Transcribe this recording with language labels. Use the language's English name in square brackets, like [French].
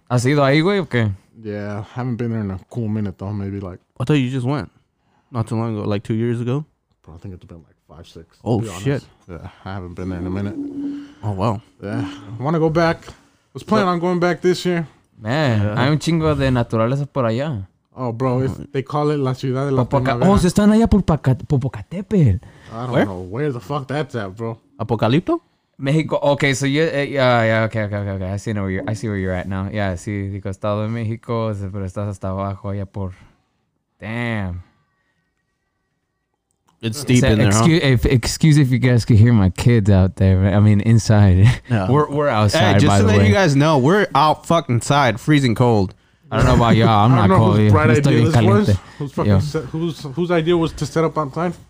[Spanish] ¿Has ido ahí, güey, o qué? [English] Yeah, haven't been there in a cool minute, though. Maybe like... I thought you just went. Not too long ago. Like 2 years ago? I think it's been like 5, 6. Oh, shit. Yeah, I haven't been there in a minute. Oh, wow. Yeah. I want to go back. I was planning on going back this year. [Spanish] Man, hay un chingo de naturaleza por allá. [English] Oh, bro. They call it La Ciudad de la [Spanish] Primavera. Oh, se están allá por Popocatépetl. [English] I don't know where the fuck that's at, bro. Apocalipto? Mexico. Okay, so okay. I see where you're at now. Yeah, I see. [Spanish] Digo, Estado de México, pero estás hasta abajo allá por. [English] Damn. It's deep in there. Excuse if you guys could hear my kids out there. I mean, inside. Yeah. We're outside. Hey, just by so the that way. You guys know, we're out fucking inside, freezing cold. I don't know about y'all. I'm not cold. Whose idea was to set up outside?